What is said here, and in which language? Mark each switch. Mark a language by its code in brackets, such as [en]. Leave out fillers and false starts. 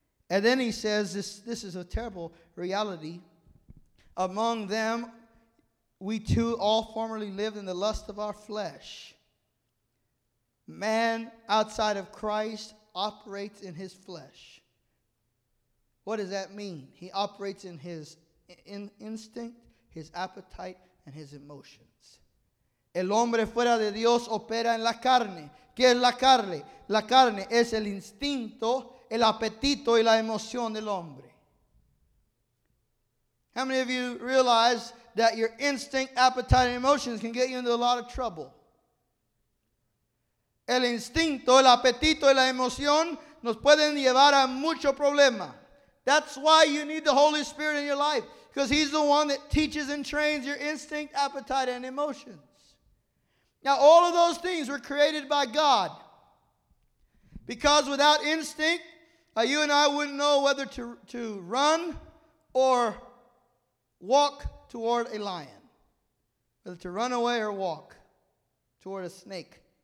[en] And then he says, this is a terrible reality. Among them, we too all formerly lived in the lust of our flesh. Man outside of Christ operates in his flesh. What does that mean? He operates in his instinct, his appetite, and his emotions. [es] El hombre fuera de Dios opera en la carne. ¿Qué es la carne? La carne es el instinto, el apetito y la emoción del hombre. [en] How many of you realize that your instinct, appetite, and emotions can get you into a lot of trouble? [es] El instinto, el apetito, y la emoción nos pueden llevar a mucho problema. [en] That's why you need the Holy Spirit in your life, because he's the one that teaches and trains your instinct, appetite, and emotions. Now, all of those things were created by God, because without instinct, you and I wouldn't know whether to run or walk toward a lion, whether to run away or walk toward a snake.